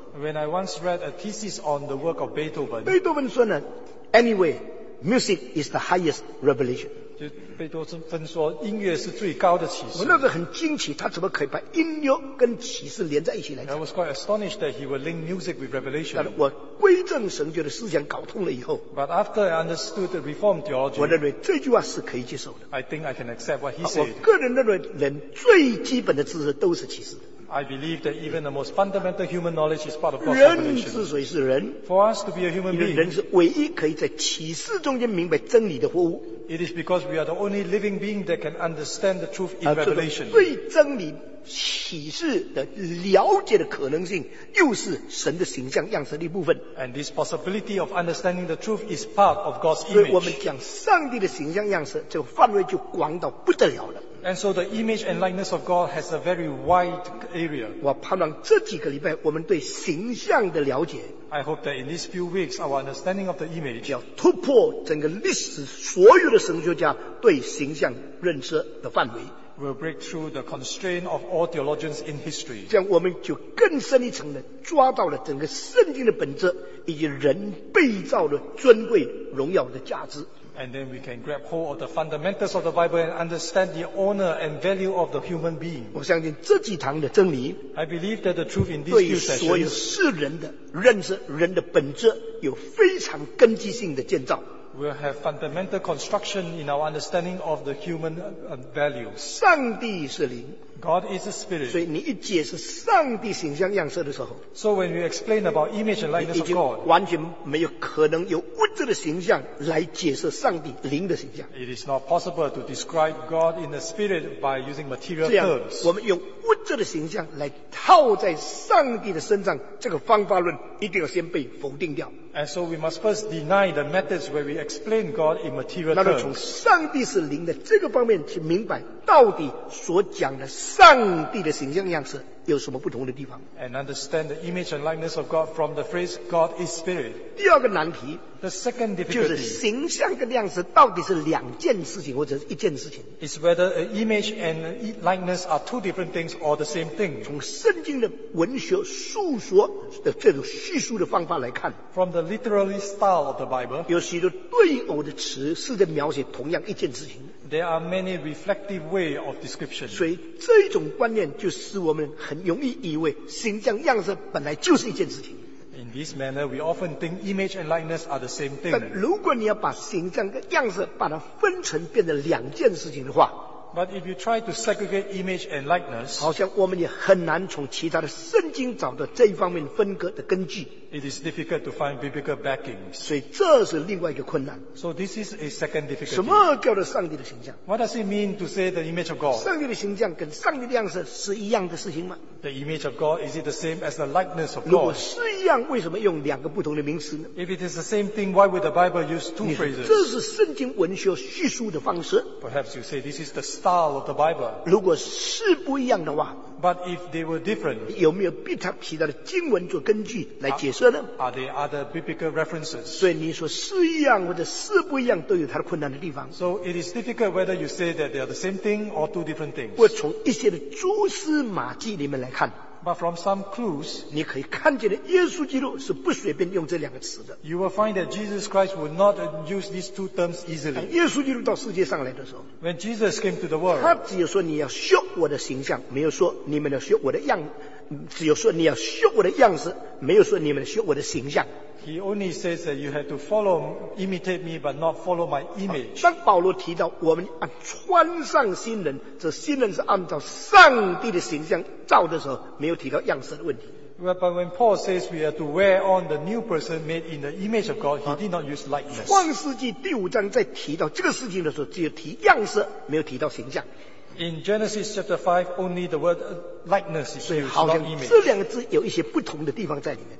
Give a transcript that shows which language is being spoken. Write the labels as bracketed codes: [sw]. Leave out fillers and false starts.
[en] When I once read a thesis on the work of Beethoven. 贝多芬说呢，Anyway, music is the highest revelation. [zh] 就贝多芬说音乐是最高的启示。我那个很惊奇，他怎么可以把音乐跟启示连在一起来讲 [en] ？I was quite astonished that he would link music with revelation. [zh] 但我归正神学的思想搞通了以后 [en] ，But after I understood the Reformed theology, [zh] 我认为这句话是可以接受的。 [en] I think I can accept what he said. [zh] 我个人认为，人最基本的知识都是启示的。 [en] I believe that even the most fundamental human knowledge is part of God's [zh] revelation. 人之所以是人 [en] ，For us to be a human being, [zh] 人是唯一可以在启示中间明白真理的活物。 [en] It is because we are the only living being that can understand the truth in revelation. [zh] 对真理启示的了解的可能性，又是神的形象样式的一部分。 [en] And this possibility of understanding the truth is part of God's image. [zh] 所以我们讲上帝的形象样式，这个范围就广到不得了了。 [en] And so the image and likeness of God has a very wide area. [zh] 我盼望这几个礼拜我们对形象的了解 [en] I hope that in these few weeks our understanding of the image [zh] 要突破整个历史所有的神学家对形象认识的范围 [en] will break through the constraint of all theologians in history. [zh] 这样我们就更深一层的抓到了整个圣经的本质以及人被造的尊贵荣耀的价值 [en] And then we can grab hold of the fundamentals of the Bible and understand the honor and value of the human being. [zh] 我相信这几堂的真理 [en] I believe that the truth in these few sessions [zh] 对所有世人的认识人的本质有非常根基性的建造 [en] We'll have fundamental construction in our understanding of the human values. [zh] 上帝是灵 [en] God is a spirit. [zh] 所以你一解释上帝形象样式的时候 [en] So when you explain about image and likeness of God [zh] 你已经完全没有可能有这个形象来解释上帝灵的形象。 [en] It is not possible to describe God in the spirit by using material [zh] 这样，我们用物质的形象来套在上帝的身上，这个方法论一定要先被否定掉。 [en] And so we must first deny the methods where we explain God in material terms. [zh] 那么从上帝是灵的这个方面去明白，到底所讲的上帝的形象样式。有什么不同的地方 [en] and understand the image and likeness of God from the phrase God is spirit [zh] 第二个难题 [en] the second difficulty [zh] 就是形象跟样式到底是两件事情或者是一件事情 [en] is whether an image and likeness are two different things or the same thing [zh] 从圣经的文学述说的这种叙述的方法来看 [en] from the literary style of the Bible [zh] 有许多对偶的词是在描写同样一件事情 [en] There are many reflective ways of description. [zh] 所以这种观念就使我们很容易以为形象样式本来就是一件事情。 [en] In this manner, we often think image and likeness are the same thing. [zh] 但如果你要把形象跟样式把它分成变成两件事情的话， [en] But if you try to segregate image and likeness, [zh] 好像我们也很难从其他的圣经找到这一方面分割的根据。 [en] It is difficult to find biblical backings. [zh] 所以这是另外一个困难。 [en] So this is a second difficulty. [zh] 什么叫做上帝的形象？ [en] What does it mean to say the image of God? [zh] 上帝的形象跟上帝的样式是一样的事情吗？ [en] The image of God, is it the same as the likeness of God? [zh] 如果是一样，为什么用两个不同的名词呢？ [en] If it is the same thing, why would the Bible use two phrases? [zh] 这是圣经文学叙述的方式。 [en] Perhaps you say this is the style of the Bible. [zh] 如果是不一样的话， [en] But if they were different, [zh] 有没有比他其他的经文做根据来解释呢？ [en] Are there other biblical references? [zh] 所以你说是一样或者是不一样，都有它的困难的地方。 [en] So it is difficult whether you say that they are the same thing or two different things. [zh] 我从一些的蛛丝马迹里面来看。 [en] But from some clues, [zh] 你可以看见的耶稣基督是不随便用这两个词的。 [en] You will find that Jesus Christ would not use these two terms easily. [zh] 当耶稣基督到世界上来的时候， [en] When Jesus came to the world, [zh] 他只有说你要学我的形象，没有说你们要学我的样，只有说你要学我的样式，没有说你们要学我的形象。 [en] He only says that you have to follow, imitate me, but not follow my image. [zh] 当保罗提到我们穿上新人，这新人是按照上帝的形象造的时候，没有提到样式的问题。 [en] But when Paul says we are to wear on the new person made in the image of God, he did not use likeness. [zh] 创世纪第五章在提到这个事情的时候，只有提样式，没有提到形象。 [en] In Genesis chapter 5, only the word likeness is used, not image. [zh] 这两个字有一些不同的地方在里面。